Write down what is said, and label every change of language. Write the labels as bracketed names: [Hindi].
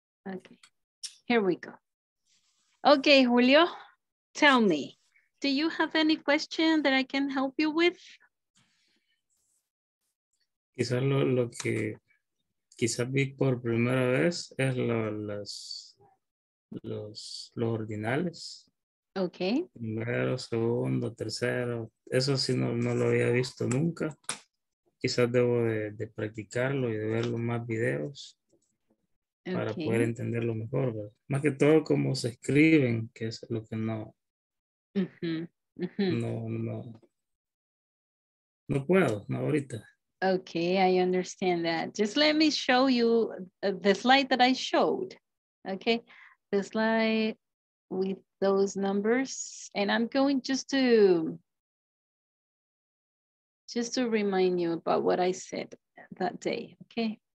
[English] Okay, here we go. Okay, Julio, tell me, do you have any question that I can help you with? [Spanish] Quizás lo que quizás vi por primera vez es los ordinales. [English] Okay. [Spanish] Primero, segundo, tercero. Eso sí no lo había visto nunca. Quizás debo de practicarlo y de verlo más videos. Okay. Para poder entenderlo mejor, ¿verdad? Más que todo cómo se escriben, que es lo que no, no puedo, no ahorita. [English] Okay, I understand that. Just let me show you the slide that I showed. Okay, the slide with those numbers, and I'm going just to remind you about what I said that day. Okay.